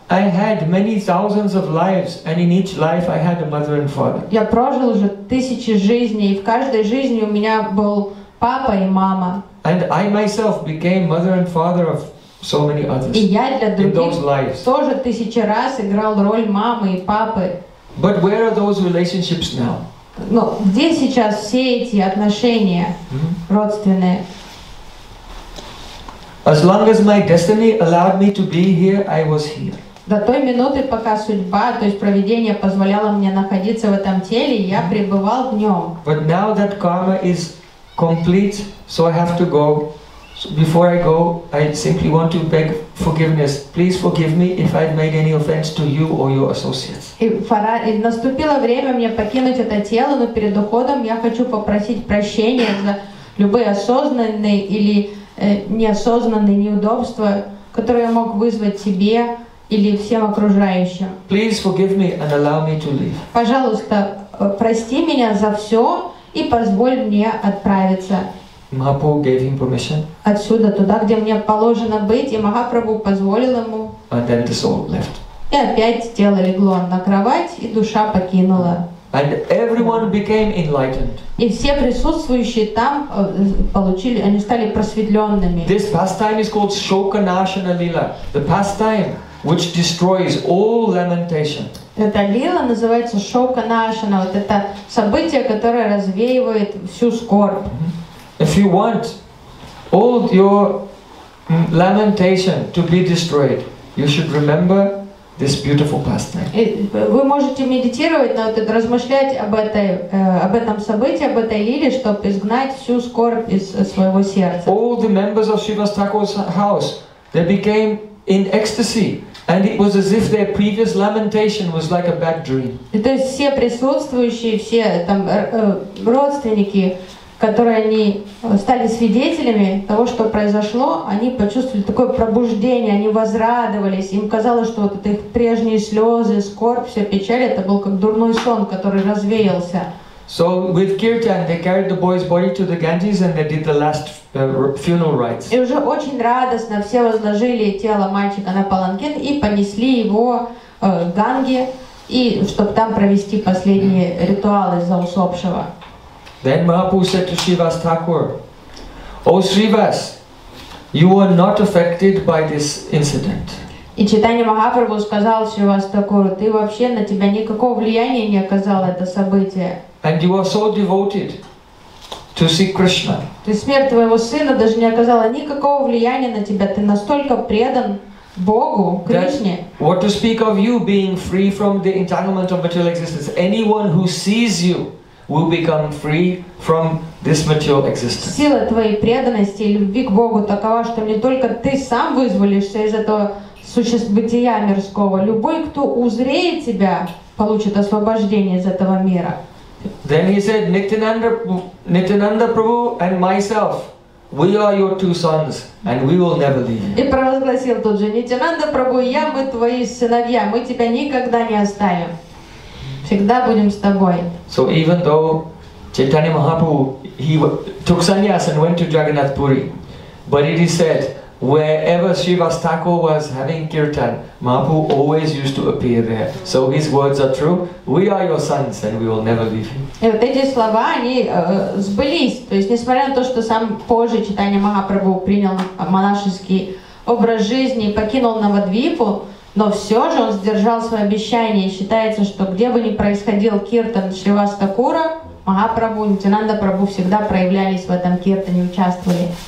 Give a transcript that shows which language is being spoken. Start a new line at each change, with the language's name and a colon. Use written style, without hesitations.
English: I had many thousands of lives, and in each life I had a mother and father.
Russian: Я прожил уже тысячи жизней, и в каждой жизни у меня был папа и мама.
English: And I myself became mother and father of so many others.
Russian: И я для других тоже тысячи раз играл роль мамы и папы.
English: But where are those relationships now?
Russian: Но где сейчас все эти отношения родственные?
English: As long as my destiny allowed me to be here, I was here.
Russian: До той минуты, пока судьба, то есть провидение, позволяло мне находиться в этом теле, я пребывал в нем.
English: But now that karma is complete, so I have to go. Before I go, I simply want to beg forgiveness. Please forgive me if I've made any offense to you or your associates.
Russian: И наступило время мне покинуть это тело, но перед уходом я хочу попросить прощения за любые осознанные или неосознанные неудобства, которые я мог вызвать тебе или всем окружающим.
English: Please forgive me and allow me to leave.
Russian: Пожалуйста, прости меня за все и позволь мне отправиться.
English: Mahaprabhu gave him permission.
Russian: Отсюда, туда, где мне положено быть, и Махапрабху позволил ему.
English: And then the soul left.
Russian: И опять тело легло на кровать, и душа покинула.
English: And everyone became enlightened.
Russian: И все присутствующие там получили, они стали просветленными.
English: This pastime is called Shokanashana Lila, the pastime which destroys all lamentation.
Russian: Эта лила называется Shokanashana, вот это событие, которое развеивает всю скорбь.
English: If you want all your lamentation to be destroyed, you should remember this beautiful pastime.
Russian: Вы можете медитировать, но это размышлять об этой, об этом событии, об этой лиле, чтобы изгнать всю скорбь из своего сердца.
English: All the members of Shiva's Thakur's house, they became in ecstasy, and it was as if their previous lamentation was like a bad dream.
Russian: То есть все присутствующие, все там родственники, которые они стали свидетелями того, что произошло, они почувствовали такое пробуждение, они возрадовались, им казалось, что вот их прежние слезы, скорбь, вся печаль, это был как дурной сон, который развеялся.
English: So with Kirtan, they carried the boy's body to the Ganges and they did the last funeral rites.
Russian: И уже очень радостно все возложили тело мальчика на паланкин и понесли его к Ганге, и чтобы там провести последние ритуалы за усопшего.
English: Then Mahaprabhu said to Shrivas Thakur, O Shrivas, you were not affected by this incident.
Russian: И читание Махапрабху сказал Шривас Такур, ты вообще на тебя никакого влияния не оказало это событие.
English: And you are so devoted to see Krishna.
Russian: Ты смерть твоего сына даже не оказала никакого влияния на тебя. Ты настолько предан Богу, Кришне.
English: What to speak of you being free from the entanglement of material existence? Anyone who sees you will become free from this material existence.
Russian: Сила твоей преданности и любви к Богу такова, что не только ты сам вызволишься из этого существования мирского. Любой, кто узреет тебя, получит освобождение из этого мира.
English: Then he said, Nityananda Prabhu and myself, we are your two sons, and we will never leave.
Russian: И провозгласил тот же Нитянанда Прабху, я мы твои сыновья, мы тебя никогда не оставим. Всегда будем с тобой.
English: So even though Chaitanya Mahaprabhu he took sannyas and went to Jagannath Puri, but it is said wherever Shrivas Thakur was having kirtan, Mahaprabhu always used to appear there. So his words are true. We are your sons and we will never leave you.
Russian: И вот эти слова они сбылись. То есть несмотря на то, что сам позже Chaitanya Mahaprabhu принял монашеский образ жизни и покинул Навадвипу. Но все же он сдержал свое обещание, и считается, что где бы ни происходил киртан Шривас Такура, Махапрабху, Нитянанда Прабху всегда проявлялись в этом киртане, участвовали.